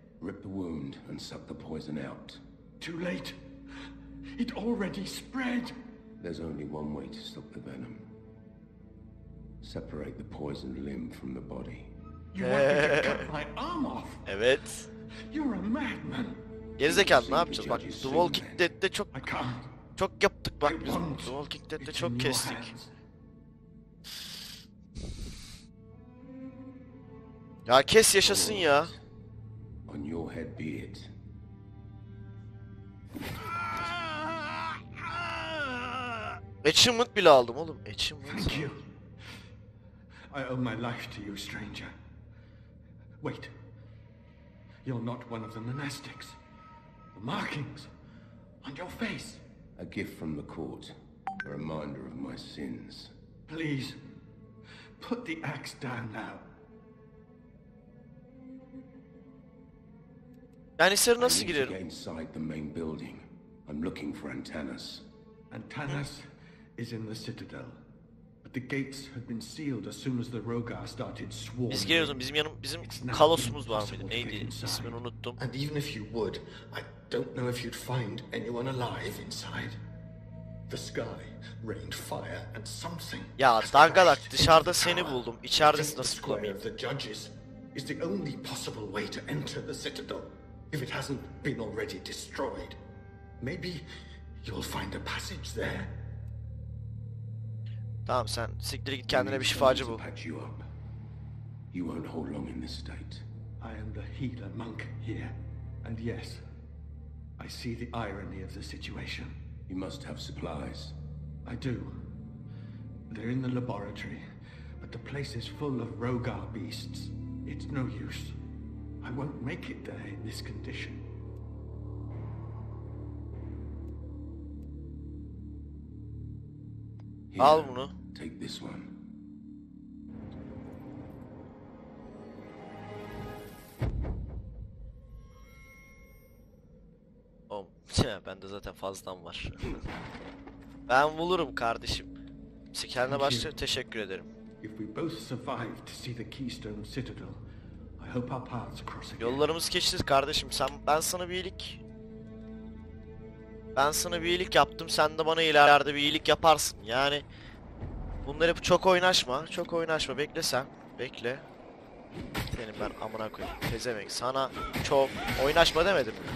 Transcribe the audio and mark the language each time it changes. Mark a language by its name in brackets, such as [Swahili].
[English] Rip the wound and suck the poison out. Too late. It already spread. There's only one way to stop the venom. Separate the poisoned limb from the body. You want to cut my arm off? [Turkish] Evet. [English] You're a madman. [Turkish] Gerizekalı, ne yapacağız? Bak, The Walking Dead'de çok yaptık bak biz. The Walking Dead'de çok kestik. Ya kes yaşasın ya. [English] On your head be it. [Turkish] Achievement bile aldım oğlum. [English] Achievement. Thank you. I owe my life to you, stranger. Wait. You're not one of the monastics. The markings on your face. A gift from the court. A reminder of my sins. Please, put the axe down now. [Turkish] Yani sir, nasıl girerim? [English] I need to get inside the main building. I'm looking for Antanas. Antanas is in the citadel. But the gates had been sealed as soon as the Rogar started swarming. [Turkish] Biz giriyoruz, bizim kalosumuz var mıydı? Neydi? İsmini unuttum. [English] And even if you would, I don't know if you'd find anyone alive inside. The sky rained fire and something. [Turkish] Ya dangalak, dışarıda seni buldum. İçeridesi nasıl kullanayım? [English] The judges is the only possible way to enter the citadel if it hasn't been already destroyed. Maybe you'll find a passage there. [Turkish] Tamam, sen siktir git kendine, bir şifacı bul. [English] You won't hold long in this state. I am the healer monk here. And yes, I see the irony of the situation. You must have supplies. I do. They're in the laboratory, but the place is full of Rogar beasts. It's no use. I won't make it there in this condition. [Turkish] Al bunu. [English] Take this one. [Turkish] Bende zaten fazlam var. Ben bulurum kardeşim. Sikerine başla, teşekkür ederim. [English] If we both survive to see the Keystone Citadel, I hope our paths cross again. [Turkish] Yollarımız kesişir kardeşim. Ben sana bir iyilik yaptım. Sen de bana ileride bir iyilik yaparsın. Yani bunları çok oynaşma. Çok oynaşma. Bekle sen. Bekle. Seni ben amına koyayım. Tezemek. Sana çok oynaşma demedim.